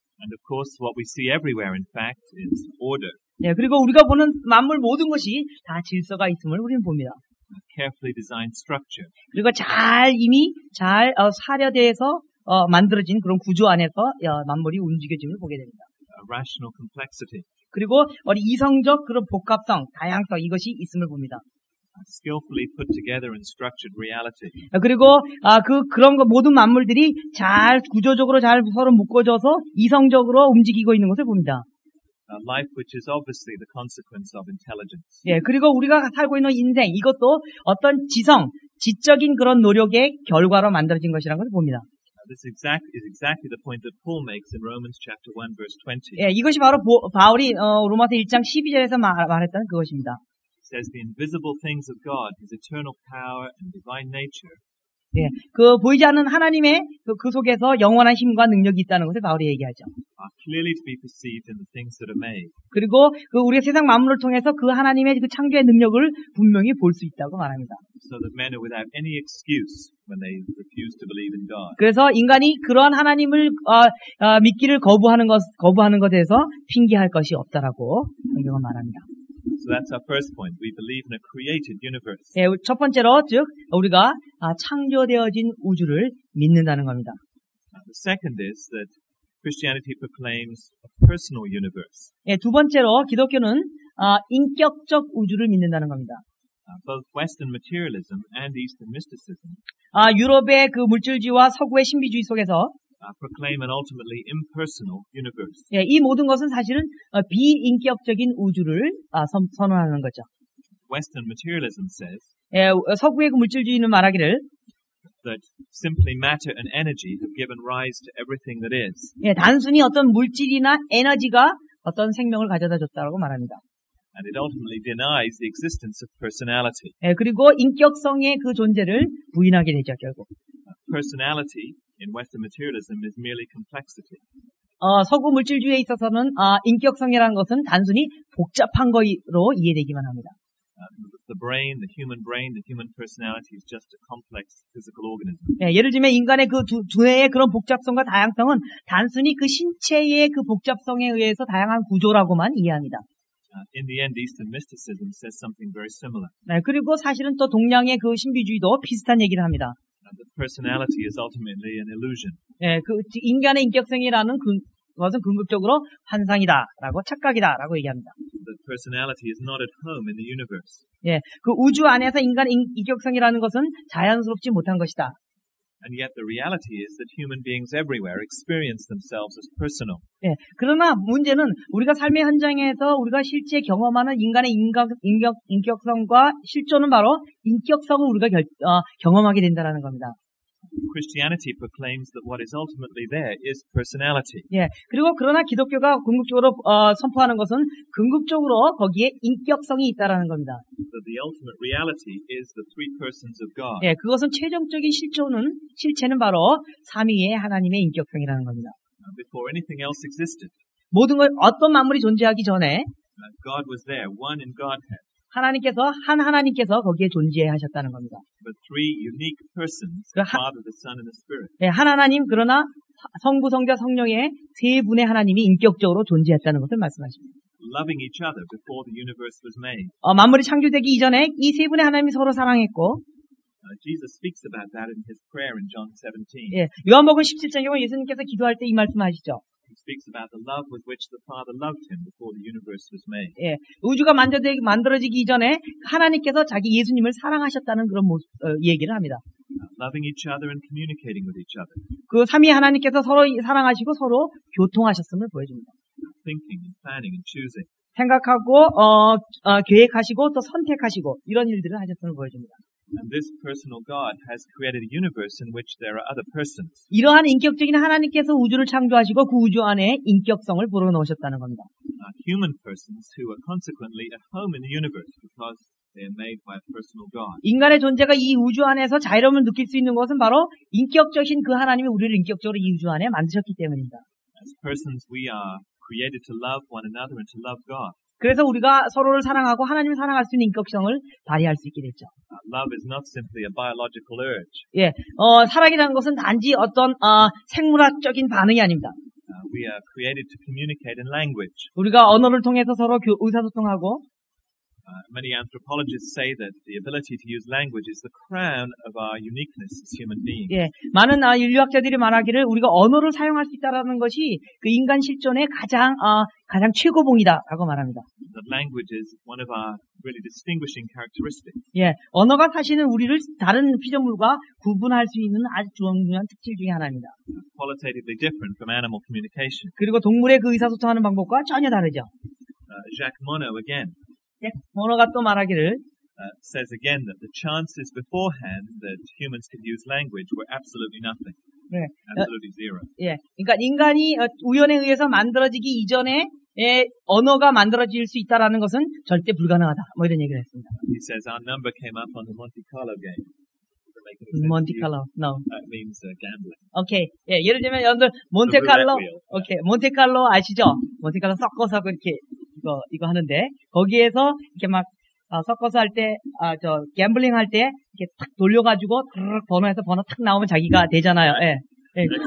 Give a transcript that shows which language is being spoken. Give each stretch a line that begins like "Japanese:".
English: And of course, what we see everywhere, in fact, is order.
Korean: 예, 그리고 우리가 보는 만물 모든 것이 다 질서가 있음을 우리는 봅니다.
English: Carefully designed structure.
Korean: 그리고 잘 사려돼서 만들어진 그런 구조 안에서 만물이 움직여짐을 보게 됩니다.
English: A rational complexity.
Korean: 그리고 우리 이성적 그런 복합성, 다양성 이것이 있음을 봅니다.
English: A skillfully put together and structured reality.
Korean: 그리고 그런 거 모든 만물들이 잘 구조적으로 잘 서로 묶어져서 이성적으로 움직이고 있는 것을 봅니다.
English: A life which is obviously the consequence of intelligence.
Korean: 예, 그리고 우리가 살고 있는 인생 이것도 어떤 지성, 지적인 그런 노력의 결과로 만들어진 것이라는 것을 봅니다.
English: This is exactly the point that Paul makes in Romans chapter 1 verse 20.
Korean: 예, 이것이 바로 바울이 로마서 1장 12절에서 말했던 그것입니다.
English: It says the invisible things of God, his eternal power and divine nature.
Korean: 예, 그 보이지 않는 하나님의 그 속에서 영원한 힘과 능력이 있다는 것을 바울이 얘기하죠.
English: Are clearly to be perceived in the things that are made.
Korean: 그리고 그 우리가 세상 만물을 통해서 그 하나님의 그 창조의 능력을 분명히 볼 수 있다고 말합니다.
English: So that men are without any excuse when they refuse to believe in God.
Korean: 그래서 인간이 그러한 하나님을 믿기를 거부하는 것에서 핑계할 것이 없다라고 성경은 말합니다.
English: So that's our first point. We believe in a created universe.
Korean: 예, 첫 번째로 즉 우리가 창조되어진 우주를 믿는다는 겁니다.
English: The second is that Christianity proclaims a personal universe.
Korean: 예, 두 번째로 기독교는 인격적 우주를 믿는다는 겁니다.
English: Both Western materialism and Eastern mysticism.
Korean: 유럽의 그 물질주의와 서구의 신비주의 속에서
English: proclaim an ultimately impersonal universe.
Korean: 예, 이 모든 것은 사실은 비인격적인 우주를 선언하는 거죠.
English: Western materialism says.
Korean: 예, 서구의 그 물질주의는 말하기를
English: that simply matter and energy have given rise to everything that is.
Korean: 예, 단순히 어떤 물질이나 에너지가 어떤 생명을 가져다 줬다라고 말합니다.
English: And it ultimately denies the existence of personality.
Korean: 예, 그리고 인격성의 그 존재를 부인하게 되죠, 결국.
English: Personality in Western materialism is merely complexity.
Korean: 서구 물질주의에 있어서는 인격성이라는 것은 단순히 복잡한 거로 이해되기만 합니다.
English: The brain, the human brain, the human personality is just a complex physical organism.
Korean: 예, 예를 들면 인간의 그 두뇌의 그런 복잡성과 다양성은 단순히 그 신체의 그 복잡성에 의해서 다양한 구조라고만 이해합니다.
English: In the end, Eastern mysticism says something very similar.
Korean: 네, 그리고 사실은 또 동양의 그 신비주의도 비슷한 얘기를 합니다.
English: The personality is ultimately an illusion.
Korean: 예, 그 인간의 인격성이라는 그것은 궁극적으로 환상이다라고 착각이다라고 얘기합니다.
English: The personality is not at home in the universe.
Korean: 예, 그 우주 안에서 인간의 인격성이라는 것은 자연스럽지 못한 것이다.
English: And yet the reality is that human beings everywhere experience themselves as personal.
Korean: 예, 그러나 문제는 우리가 삶의 현장에서 우리가 실제 경험하는 인간의 인격성과 실존은 바로 인격성을 우리가 경험하게 된다라는 겁니다.
English: Christianity proclaims that what is ultimately there is personality.
Korean: 예, 그리고 그러나 기독교가 궁극적으로 선포하는 것은 궁극적으로 거기에 인격성이 있다라는 겁니다.
English: That the ultimate reality is the three persons of God.
Korean: 예, 그것은 최종적인 실체는 바로 삼위의 하나님의 인격성이라는 겁니다.
English: Before anything else existed.
Korean: 모든 것 어떤 만물이 존재하기 전에
English: God was there, one in Godhead.
Korean: 하나님께서 한 하나님께서 거기에 존재하셨다는 겁니다.
English: But three unique persons, the Father, the Son, and the Spirit.
Korean: 예, 한 하나님 그러나 성부, 성자, 성령의 세 분의 하나님이 인격적으로 존재했다는 것을 말씀하십니다.
English: Loving each other before the universe was made.
Korean: 만물이 창조되기 이전에 이 세 분의 하나님이 서로 사랑했고.
English: Jesus speaks about that in his prayer in John 17.
Korean: 예, 요한복음 17장에 예수님께서 기도할 때 이 말씀하시죠.
English: He speaks about the love with which the Father loved him before the universe was made.
Korean: 예, 우주가 만들어지기 이전에 하나님께서 자기 예수님을 사랑하셨다는 그런 얘기를 합니다.
English: Loving each other and communicating with each other.
Korean: 그 삼위 하나님께서 서로 사랑하시고 서로 교통하셨음을 보여줍니다.
English: Thinking and planning and choosing.
Korean: 생각하고 계획하시고 또 선택하시고 이런 일들을 하셨음을 보여줍니다.
English: And this personal God has created a universe in which there are other persons.
Korean: 이러한 인격적인 하나님께서 우주를 창조하시고 그 우주 안에 인격성을 불어넣으셨다는 겁니다.
English: Human persons who are consequently at home in the universe because they are made by a personal God.
Korean: 인간의 존재가 이 우주 안에서 자유로움을 느낄 수 있는 것은 바로 인격적인 그 하나님이 우리를 인격적으로 이 우주 안에 만드셨기 때문입니다.
English: As persons, we are created to love one another and to love God.
Korean: 그래서 우리가 서로를 사랑하고 하나님을 사랑할 수 있는 인격성을 발휘할 수 있게 됐죠.
English: Love is not simply a biological urge.
Korean: 예, 사랑이라는 것은 단지 어떤 생물학적인 반응이 아닙니다.
English: We are created to communicate in language.
Korean: 우리가 언어를 통해서 서로 의사소통하고.
English: Many anthropologists say that the ability to use language is the crown of our uniqueness as human beings.
Korean: 예, 많은 인류학자들이 말하기를 우리가 언어를 사용할 수 있다라는 것이 그 인간 실존의 가장 최고봉이다라고 말합니다.
English: That language is one of our really distinguishing characteristics.
Korean: 예, 언어가 사실은 우리를 다른 피조물과 구분할 수 있는 아주 중요한 특질 중에 하나입니다.
English: Qualitatively different from animal communication.
Korean: 그리고 동물의 그 의사소통하는 방법과 전혀 다르죠.
English: Jacques Monod again.
Korean: 모노가 또 말하기를
English: says again that the chances beforehand that humans could use language were absolutely nothing.
Korean: 네.
English: Absolutely zero.
Korean: 예. 그러니까 인간이 우연에 의해서 만들어지기 이전에 언어가 만들어질 수 있다라는 것은 절대 불가능하다. 뭐 이런 얘기를 했습니다.
English: He says our number came up on the Monte Carlo game. Monte Carlo, no. That means gambling.
Korean: Okay. 예, 예를 들면 여러분들 몬테칼로, 오케이, 몬테칼로 아시죠? 몬테칼로 섞어서 그렇게 이거 하는데 거기에서 이렇게 막 섞어서 할 때, 저 갬블링 할 때 이렇게 탁 돌려가지고 드르륵 번호에서 번호 탁 나오면 자기가 되잖아요. 예. 예.